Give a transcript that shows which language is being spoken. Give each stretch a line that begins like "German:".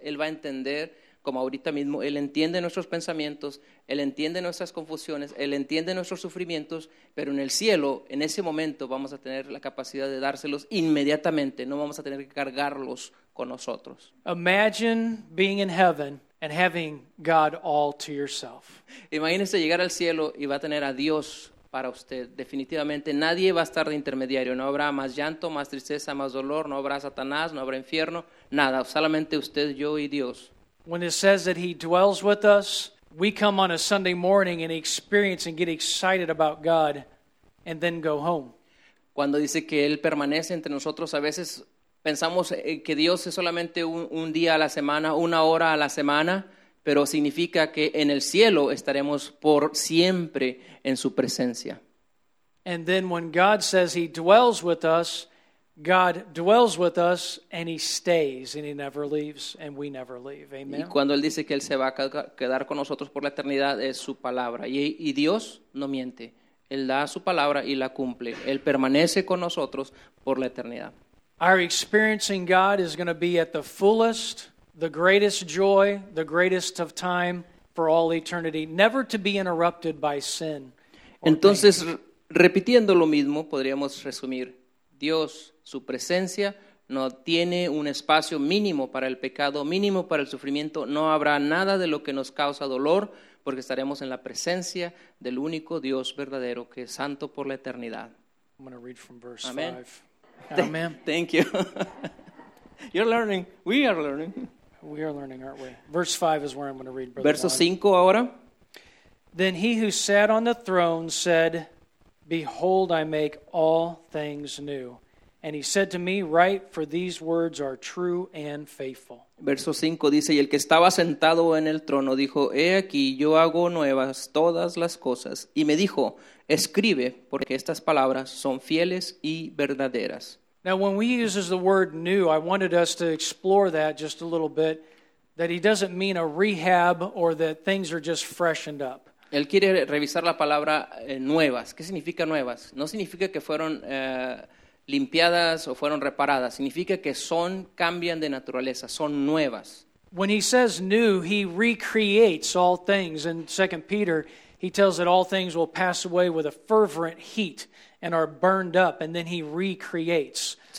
Spanish: Él va a entender, como ahorita mismo, Él entiende nuestros pensamientos, Él entiende nuestras confusiones, Él entiende nuestros sufrimientos, pero en el cielo, en ese momento, vamos a tener la capacidad de dárselos inmediatamente, no vamos a tener que cargarlos con nosotros.
English: Imagine being in heaven and having God all to yourself.
Spanish: Imagínese llegar al cielo y va a tener a Dios para usted. Definitivamente nadie va a estar de intermediario. No habrá más llanto, más tristeza, más dolor. No habrá Satanás, no habrá infierno, nada. Solamente usted, yo y Dios.
English: When it says that He dwells with us, we come on a Sunday morning and experience and get excited about God and then go home.
Spanish: Cuando dice que Él permanece entre nosotros, a veces pensamos que Dios es solamente un día a la semana, una hora a la semana, pero significa que en el cielo estaremos por siempre en su presencia.
English: And then when God says He dwells with us, God dwells with us and He stays and He never leaves and we never leave. Amen.
Spanish: Y cuando Él dice que Él se va a quedar con nosotros por la eternidad, es su palabra. Y Dios no miente. Él da su palabra y la cumple. Él permanece con nosotros por la eternidad.
English: Our experiencing God is going to be at the fullest, the greatest joy, the greatest of time for all eternity, never to be interrupted by sin.
Spanish: Entonces, repitiendo lo mismo, podríamos resumir: Dios, su presencia, no tiene un espacio mínimo para el pecado, mínimo para el sufrimiento. No habrá nada de lo que nos causa dolor, porque estaremos en la presencia del único Dios verdadero, que es santo por la eternidad.
English: I'm going to read from verse 5. Amen. Thank you. You're learning. We are learning. We are learning, aren't we? Verse 5 is where I'm going to read, brother.
Spanish: Verso 5 ahora.
English: Then He who sat on the throne said, "Behold, I make all things new." And He said to me, "Write, for these words are true and faithful."
Spanish: Verso 5 dice, y el que estaba sentado en el trono dijo, "He aquí, yo hago nuevas todas las cosas." Y me dijo, "Escribe, porque estas palabras son fieles y verdaderas."
English: Now, when we use the word new, I wanted us to explore that just a little bit, that He doesn't mean a rehab or that things are just freshened up.
Spanish: Él quiere revisar la palabra nuevas. ¿Qué significa nuevas? No significa que fueron limpiadas o fueron reparadas. Significa que son, cambian de naturaleza, son nuevas.
English: When He says new, He recreates all things. In 2 Peter, He tells that all things will pass away with a fervent heat and are burned up, and then He recreates.